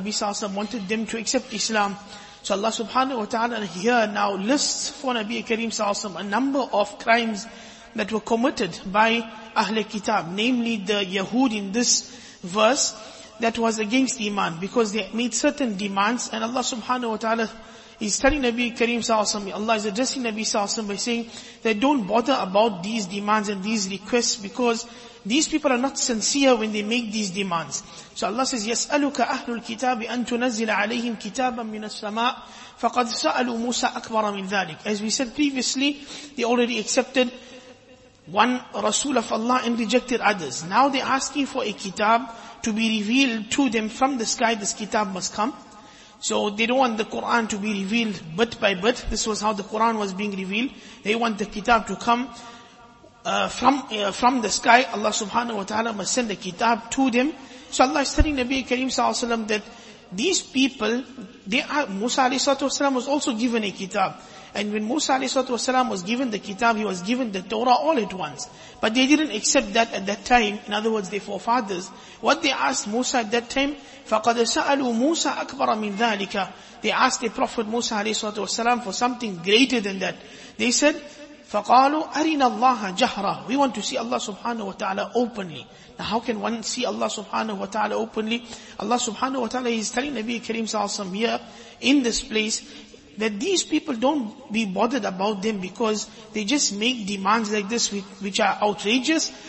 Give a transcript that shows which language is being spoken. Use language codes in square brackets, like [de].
[en] Nabi sallallahu alayhi wa sallam wanted them to accept Islam. So Allah subhanahu wa ta'ala here now lists for Nabi Kareem sallallahu alayhi wa sallam a number of crimes that were committed by Ahl al-Kitab, namely the Yahud in this verse, that was against iman because they made certain demands. And Allah subhanahu wa ta'ala is telling Nabi Kareem sallallahu alayhi wa sallam, Allah is addressing Nabi sallallahu alayhi wa sallam by saying that don't bother about these demands and these requests because these people are not sincere when they make these demands. So Allah says, [ar] يَسْأَلُكَ أَهْلُ الْكِتَابِ أَن تُنَزِّلَ عَلَيْهِمْ كِتَابًا مِنَ السَّمَاءِ فَقَدْ سَأَلُوا مُوسَىٰ أَكْبَرَ مِنْ ذَلِكَ. [en] As we said previously, they already accepted one Rasul of Allah and rejected others. Now they're asking for a kitab to be revealed to them from the sky. This kitab must come. So they don't want the Quran to be revealed bit by bit. This was how the Quran was being revealed. They want the kitab to come from the sky. Allah subhanahu wa ta'ala must send the kitab to them. So Allah is telling Nabi Kareem sallallahu alayhi wa sallam that these people, they are, Musa alayhi wa sallam was also given a kitab. And when Musa alayhi wa sallam was given the kitab, he was given the Torah all at once. But they didn't accept that at that time. In other words, their forefathers. What they asked Musa at that time, [ar] فَقَدَ سَأَلُوا مُوسَىٰ أَكْبَرَ مِنْ ذَٰلِكَ. [en] They asked the Prophet Musa alayhi wa sallam for something greater than that. They said, [ar] فَقَالُوا أَرِنَا اللَّهَ جَهْرًا. [en] We want to see Allah subhanahu wa ta'ala openly. Now how can one see Allah subhanahu wa ta'ala openly? Allah subhanahu wa ta'ala is telling Nabi Kareem sallallahu alayhi wa sallam here in this place, that these people don't be bothered about them because they just make demands like this which are outrageous.